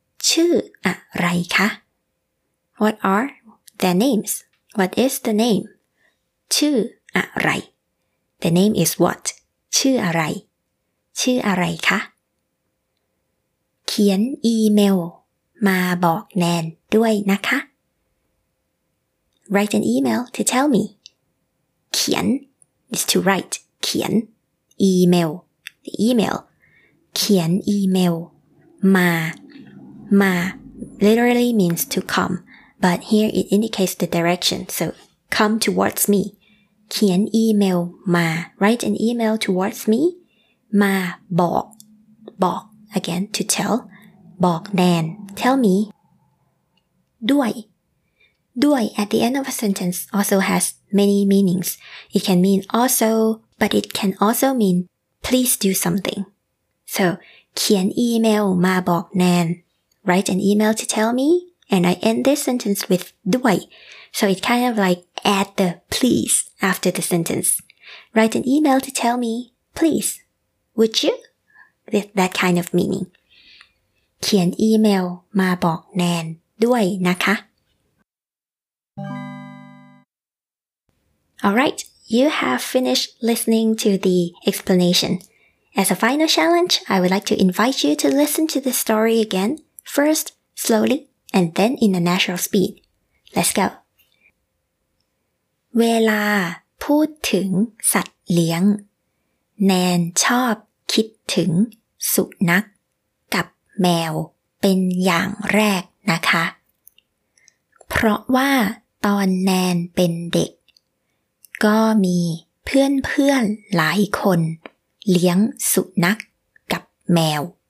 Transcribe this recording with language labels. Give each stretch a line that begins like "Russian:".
Thai: ชื่ออะไรคะ?
English: What are their names? What is the name?
Thai: ชื่ออะไร?
English: The name is what? ชื่ออะไร? ชื่ออะไรคะ?
Thai: เขียนอีเมลมาบอกแนนด้วยนะคะ?
English: Write an email to tell me. เขียน is to write. เขียน email. The email.
Thai: เขียนอีเมลมา
English: literally means to come but here it indicates the direction so come towards me เขียนอีเมลมา write an email towards me มาบอก again to tell บอกแนน tell me ด้วย at the end of a sentence also has many meanings it can mean also but it can also mean please do somethingSo,
Thai: เขียนอีเมลมาบอกแนน
English: write an email to tell me, and I end this sentence with ด้วย So it's kind of like add the please after the sentence. Write an email to tell me, please, would you? With that kind of meaning.
Thai: เขียนอีเมลมาบอกแนนด้วยนะคะ
English: All right, you have finished listening to the explanation. As a final challenge, I would like to invite you to listen to this story again, first slowly, and then in a natural speed. Let's go.
Thai: เวลาพูดถึงสัตว์เลี้ยงแนนชอบคิดถึงสุนัขกับแมวเป็นอย่างแรกนะคะเพราะว่าตอนแนนเป็นเด็กก็มีเพื่อนๆหลายคนเลี้ยงสุนัขกับแมว